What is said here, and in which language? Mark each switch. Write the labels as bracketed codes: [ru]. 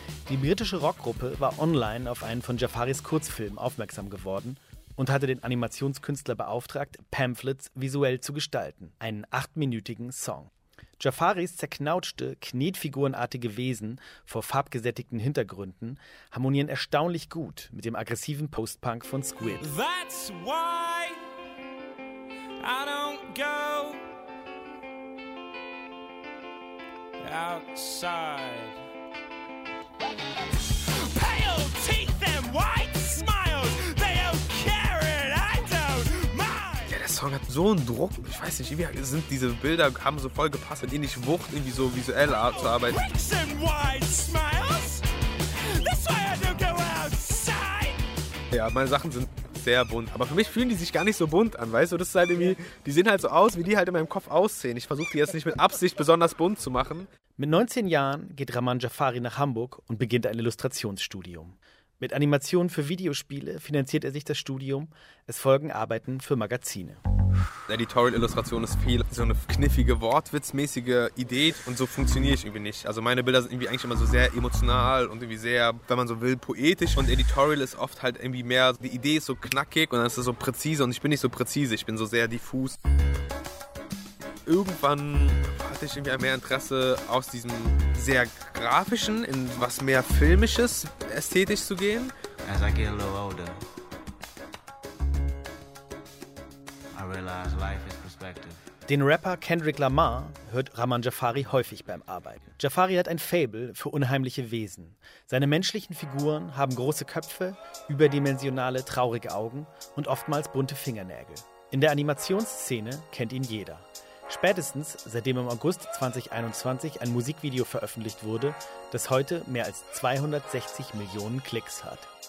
[de] Die britische Rockgruppe war online auf einen von Jafaris Kurzfilmen aufmerksam geworden und hatte den Animationskünstler beauftragt, Pamphlets visuell zu gestalten, einen 8-minütigen Song. Jafaris zerknautschte, knetfigurenartige Wesen vor farbgesättigten Hintergründen harmonieren erstaunlich gut mit dem aggressiven Postpunk von Squid. [en] That's why I don't go outside. Pale teeth and white smiles, they don't care and I don't mind. [de] Ja, der Song hat so einen Druck. Ich weiß nicht, wie sind diese Bilder, haben so voll gepasst, hat ähnlich Wucht, irgendwie so visuell Art zu arbeiten. [en] Pricks and white smiles, that's why I don't go outside. [de] Ja, meine Sachen sind sehr bunt. Aber für mich fühlen die sich gar nicht so bunt an, weißt du? Das ist halt irgendwie, die sehen halt so aus, wie die halt in meinem Kopf aussehen. Ich versuche die jetzt nicht mit Absicht besonders bunt zu machen. Mit 19 Jahren geht Rahman Jafari nach Hamburg und beginnt ein Illustrationsstudium. Mit Animationen für Videospiele finanziert er sich das Studium. Es folgen Arbeiten für Magazine. Editorial-Illustration ist viel so eine kniffige, wortwitzmäßige Idee und so funktioniere ich irgendwie nicht. Also meine Bilder sind irgendwie eigentlich immer so sehr emotional und irgendwie sehr, wenn man so will, poetisch. Und Editorial ist oft halt irgendwie mehr, die Idee ist so knackig und dann ist es so präzise und ich bin nicht so präzise, ich bin so sehr diffus. Irgendwann hatte ich irgendwie mehr Interesse, aus diesem sehr grafischen in was mehr filmisches ästhetisch zu gehen. [en] As I get a little older, I realize life is perspective. [de] Den Rapper Kendrick Lamar hört Rahman Jafari häufig beim Arbeiten. Jafari hat ein Faible für unheimliche Wesen. Seine menschlichen Figuren haben große Köpfe, überdimensionale, traurige Augen und oftmals bunte Fingernägel. In der Animationsszene kennt ihn jeder. Spätestens seitdem im August 2021 ein Musikvideo veröffentlicht wurde, das heute mehr als 260 Millionen Klicks hat.